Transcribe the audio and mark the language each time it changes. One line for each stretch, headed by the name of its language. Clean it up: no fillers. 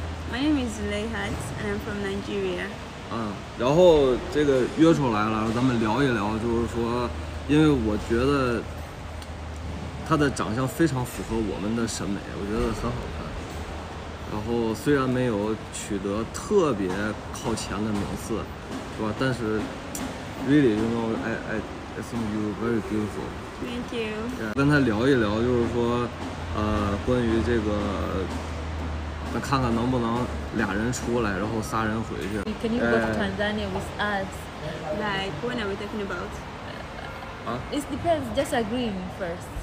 English: My name is Lehat, and I'm from Nigeria.
Chinese: 嗯，然后这个约出来了，咱们聊一聊，就是说，因为我觉得他的长相非常符合我们的审美，我觉得很好看。然后虽然没有取得特别靠前的名次，是吧？但是
English: ，really, you know, I think you very beautiful. Thank you.、 Yeah.
Chinese: 跟他聊一聊，就是说，关于这个。那看看能不能俩人出来，然后仨人回去。
English: Can you go to Tanzania with us? Like, when are we talking about? It depends. Just agreeing first.